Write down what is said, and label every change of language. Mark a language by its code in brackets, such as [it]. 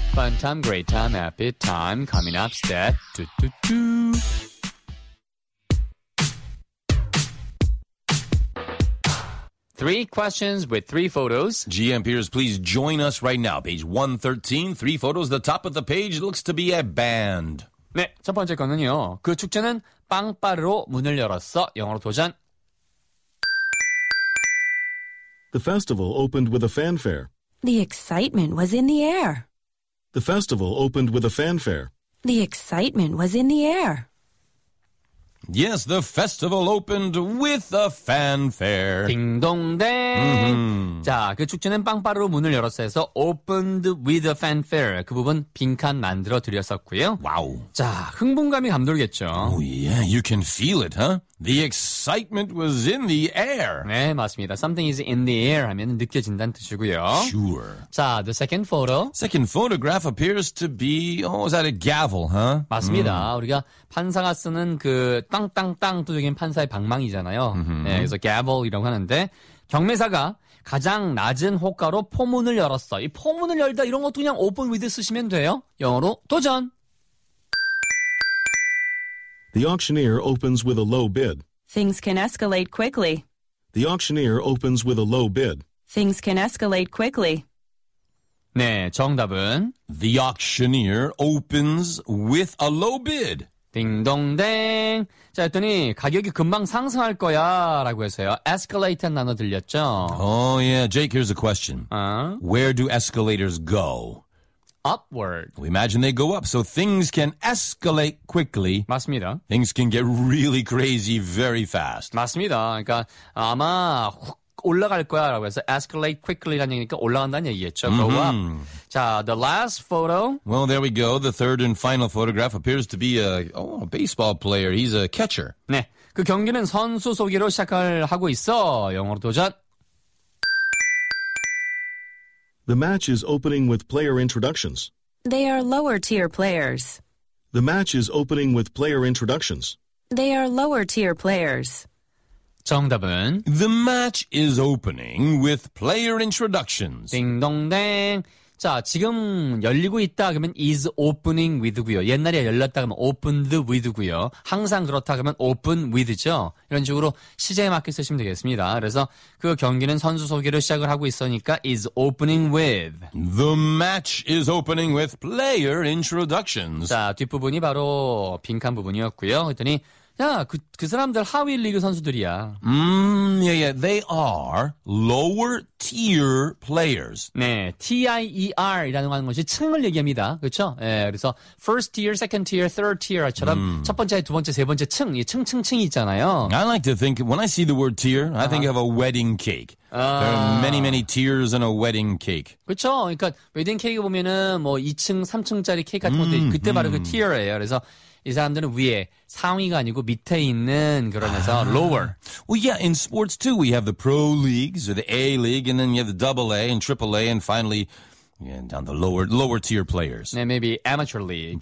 [en] Fun time, great time, happy time, coming up, step, do-do-do. Three questions with three photos. GM Peters, please join us right now. Page 113, three photos. The top of the page looks to be a band. [ko] 네, 첫 번째 거는요. 그 축제는 빵빠르로 문을 열었어. 영어로 도전. [en] The festival opened with a fanfare. The excitement was in the air. The festival opened with a fanfare. The excitement was in the air. Yes, the festival opened with a fanfare. [ko] 빙동댕. Mm-hmm. 자, 그 축제는 빵빠르로 문을 열었어 해서 [en] opened with a fanfare. [ko] 그 부분 빈칸 만들어 드렸었고요. 와우. 자, 흥분감이 감돌겠죠. [en] Oh yeah, you can feel it, huh? The excitement was in the air. [ko] 네, 맞습니다. [en] Something is in the air [ko] 하면 느껴진다는 뜻이고요. [en] Sure. 자, the second photo. Second photograph appears to be, oh, is that a gavel, huh? [ko] 맞습니다. Mm. 우리가 판사가 쓰는 그 땅땅땅 두적인 판사의 방망이잖아요. Mm-hmm. 네, 그래서 gavel이라고 하는데 경매사가 가장 낮은 호가로 포문을 열었어. 이 포문을 열다 이런 것도 그냥 [en] open with [ko] 쓰시면 돼요. 영어로 도전. [en] The auctioneer opens with a low bid. Things can escalate quickly. The auctioneer opens with a low bid. Things can escalate quickly. [ko] 네, 정답은 [en] The auctioneer opens with a low bid. [ko] 딩동댕. 자, 했더니 가격이 금방 상승할 거야 라고 해서요. Escalate는 나눠 들렸죠? [en] Oh, yeah. Jake, here's a question. Where do escalators go? Upward. We imagine they go up, so things can escalate quickly. [ko] 맞습니다. [en] Things can get really crazy very fast. [ko] 맞습니다. 그러니까 아마 훅 올라갈 거야 라고 해서 [en] escalate quickly [ko] 라는 얘기니까 올라간다는 얘기였죠. [en] Mm-hmm. Go up. 자, the last photo. Well, there we go. The third and final photograph appears to be a baseball player. He's a catcher. [ko] 네, 그 경기는 선수 소개로 시작을 하고 있어. 영어로 도전. [en] The match is opening with player introductions. They are lower tier players. The match is opening with player introductions. They are lower tier players. [ko] 정답은 [en] The match is opening with player introductions. [ko] 딩동댕. 자, 지금 열리고 있다 그러면 [en] is opening with [ko] 고요. 옛날에 열렸다 그러면 [en] opened with [ko] 고요. 항상 그렇다 그러면 [en] open with [ko] 죠. 이런 식으로 시제에 맞게 쓰시면 되겠습니다. 그래서 그 경기는 선수 소개로 시작을 하고 있으니까 [en] is opening with. The match is opening with player introductions. [ko] 자, 뒷부분이 바로 빈칸 부분이었고요. 그랬더니 야, 그 사람들 하위 리그 선수들이야. [en] Yeah, yeah. They are lower tier players. [ko] 네, T-I-E-R이라는 것이 층을 얘기합니다. 그렇죠? 예, 네, 그래서 [en] first tier, second tier, third tier [ko] 처럼 첫 번째, 두 번째, 세 번째 층, 이 층층층이 있잖아요. [en] I like to think, when I see the word tier, I think of a wedding cake. There are many, many tiers in a wedding cake. [ko] 그렇죠. 그러니까 웨딩 케이크 보면은 뭐 2층, 3층짜리 케이크 같은 것도 그때 바로 그 tier예요. 그래서 이 사람들은 위에 상위가 아니고 밑에 있는 그런 데서 lower. [en] Well, yeah, in sports too, we have the pro leagues or the A league, and then you have the double A and triple A, and finally, yeah, down the lower tier players. Yeah, maybe amateur league.